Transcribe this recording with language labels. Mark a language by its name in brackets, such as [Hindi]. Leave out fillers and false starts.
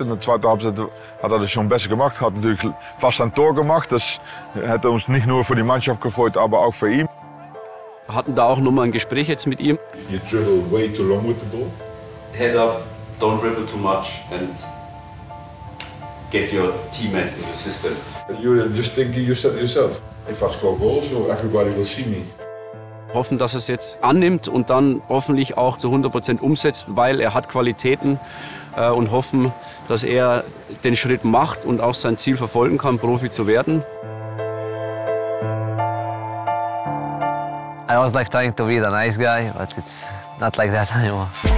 [German] In der zweiten Halbzeit hat er das schon besser gemacht, hat natürlich fast ein Tor gemacht. Das hätte uns nicht nur für die Mannschaft gefreut, aber auch für ihn. Wir hatten da auch nochmal ein Gespräch jetzt mit ihm. [English] You dribble way too long with the ball. Head up. Don't dribble too much and get your teammates in the system. You're just thinking yourself. If I score goals, everybody will see me. [German] Hoffen, dass er es jetzt annimmt und dann hoffentlich auch zu 100% umsetzt, weil er hat Qualitäten, und hoffen, dass er den Schritt macht und auch sein Ziel verfolgen kann, Profi zu werden. [English] I was like trying to be the nice guy, but it's not like that anymore.